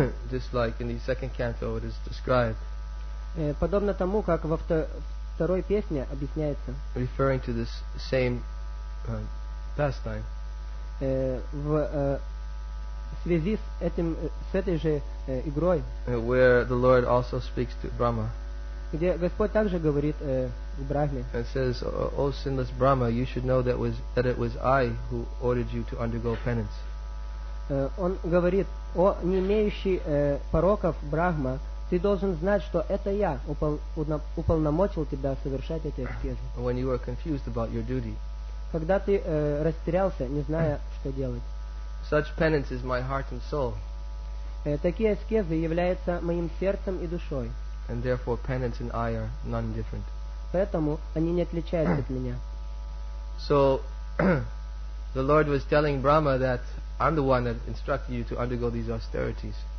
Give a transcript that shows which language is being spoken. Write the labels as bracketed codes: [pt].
[en] Just like in the second canto, it is described. [ru] Подобно тому, как во второй песне объясняется. [en] Referring to this same pastime. [ru] В связи с этим, с этой же игрой. [en] Where the Lord also speaks to Brahma. [ru] Где Господь также говорит к Брахме. [en] And says, O sinless Brahma, you should know that it was I who ordered you to undergo penance. [ru] Он говорит, о не имеющий пороков Брахма, ты должен знать, что это я уполномочил тебя совершать эти аскезы. [en] When you are confused about your duty. [ru] Когда ты растерялся, не зная, что делать. [en] Such penance is my heart and soul. [ru] Такие аскезы являются моим сердцем и душой. [en] And therefore, penance and I are none different. [ru] Поэтому они не отличаются от меня. [en] So, the Lord was telling Brahma that I'm the one that instructed you to undergo these austerities.